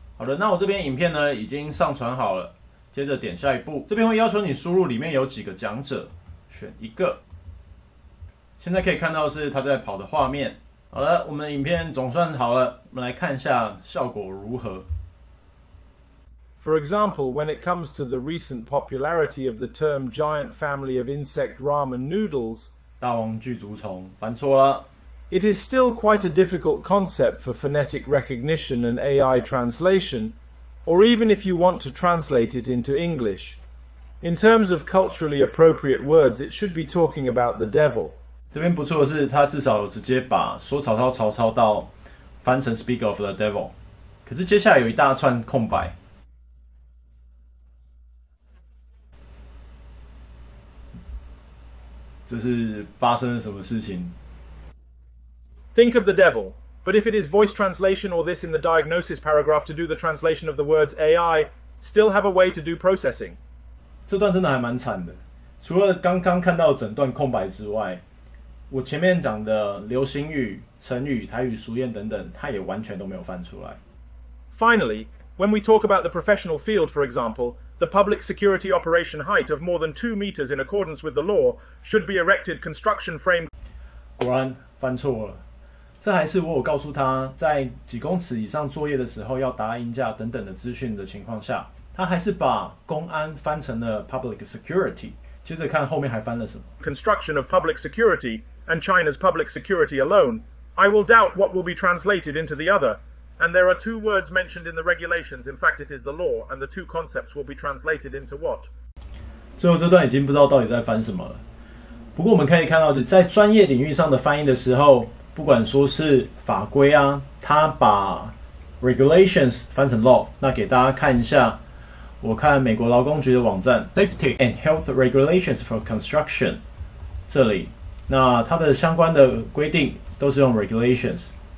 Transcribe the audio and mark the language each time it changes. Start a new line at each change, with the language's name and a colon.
Chinese: 好的，那我这边影片呢已经上传好了，接着点下一步。这边会要求你输入里面有几个讲者，选一个。现在可以看到是它在跑的画面。好了，我们影片总算好了，我们来看一下效果如何。
English: For example, when it comes to the recent popularity of the term giant family of insect ramen noodles,
Chinese: 大王巨足虫，翻错了。
English: It is still quite a difficult concept for phonetic recognition and AI translation, or even if you want to translate it into English. In terms of culturally appropriate words, it should be talking about the devil.
Chinese: 这边不错的是，他至少有直接把说曹操曹操到翻成
English: speak of the devil，
Chinese: 可是接下来有一大串空白。这是发生了什么事情？
English: Think of the devil. But if it is voice translation or this in the diagnosis paragraph to do the translation of the words AI, still have a way to do processing.
Chinese: 这段真的还蛮惨的。除了刚刚看到整段空白之外，我前面讲的流行语、成语、台语俗谚等等，它也完全都没有翻出来。
English: Finally, when we talk about the professional field, for example,The public security operation height of more than 2 meters in accordance with the law should be erected construction frame.
Chinese: 果然翻错了，这还是我有告诉他在几公尺以上作业的时候要搭音架等等的资讯的情况下，他还是把公安翻成了 public security。接着看后面还翻了什么
English: ？Construction of public security and China's public security alone. I will doubt what will be translated into the other. And there are two words mentioned in the regulations. In fact, it is the law, and the two concepts will be translated into what?
Chinese: 最后这段已经不知道到底在翻什么了。不过我们可以看到，在专业领域上的翻译的时候，不管说是法规啊，他把 regulations 翻成 law。那给大家看一下，我看美国劳工局的网站 Safety and Health Regulations for Construction 这里，那它的相关的规定都是用 regulations。